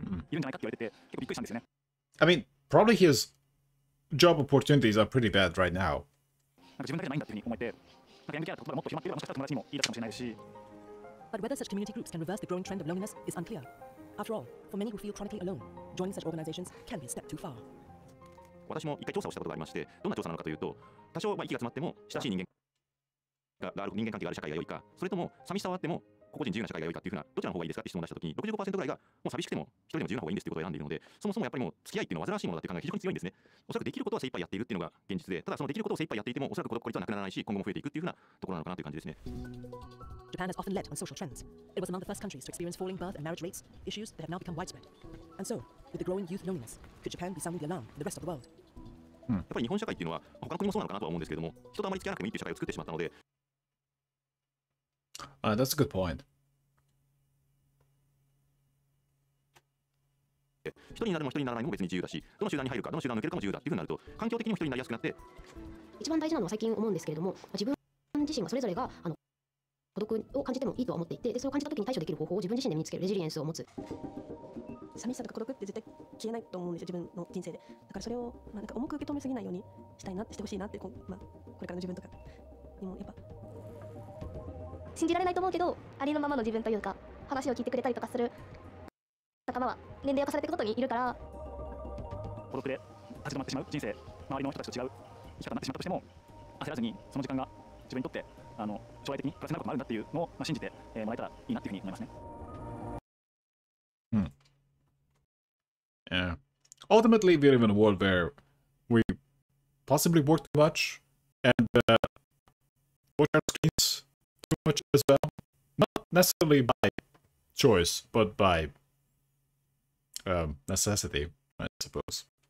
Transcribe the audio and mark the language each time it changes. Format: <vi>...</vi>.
<ja>いるんじゃないかって言われてて結構びっくりしたんですね。</ja> <en>I mean, probably his job opportunities are pretty bad right now.</en> <ja>なんか自分だけじゃないんだっていうふうに思えてなんかヤングケアとかもっと広まっていればもしかしたら友達もいいだかもしれないし。</ja> <en>But whether such community groups can reverse the growing trend of loneliness is unclear. After all, for many who feel chronically alone, joining such organizations can be a step too far.</en> <ja>私も一回調査をしたことがありまして、どんな調査なのかというと、多少まあ息が詰まっても親しい人間がある人間関係がある社会が良いか、それとも寂しさはあっても個々人自由な社会が良いかというふうなどちらの方がいいですかって質問を出したときに、65% ぐらいがもう寂しくても一人でも自由な方がいいんですということを選んでいるので、そもそもやっぱりもう付き合いっていうのは煩わしいものだって考え非常に強いんですね。おそらくできることは精一杯やっているっていうのが現実で、ただそのできることを精一杯やっていてもおそらく孤独孤立はなくならないし、今後も増えていくっていうふうなところなのかなという感じですね。</ja> <en>Japan has often led on social trends. It was among the first countries to experience falling birth and marriage rates, issues that have now become widespread. And so, with the growing youth loneliness, could Japan be sounding the alarm for the rest of the world?</en> <ja>やっぱり日本社会っていうのは他の国もそうなのかなとは思うんですけども、人とあまり付き合わなくてもいい社会を作ってしまったので。</ja> <en>That's a good point.</en> <ja>人になるも人にならないも別に自由だし、どの集団に入るかどの集団抜けるかも自由だっていうふうになると、環境的にも人になりやすくなって。一番大事なのは最近思うんですけれども、自分自身がそれぞれが孤独を感じてもいいとは思っていて、でそう感じた時に対処できる方法を自分自身で身につけるレジリエンスを持つ。寂しさとか孤独って絶対消えないと思うんですよ、自分の人生で。だからそれを、まあ、なんか重く受け止めすぎないようにしたいなってしてほしいなって、まあ、これからの自分とかにもやっぱ信じられないと思うけど、ありのままの自分というか話を聞いてくれたりとかする仲間は年齢を重ねていくことにいるから、孤独で立ち止まってしまう人生、周りの人たちと違う生き方になってしまったとしても焦らずにその時間が自分にとって将来的にプラスになることもあるんだっていうのを、まあ、信じて、もらえたらいいなっていうふうに思いますね。</ja> <en>Yeah. Ultimately, we live in a world where we possibly work too much and watch our screens too much as well. Not necessarily by choice, but by necessity, I suppose.</en>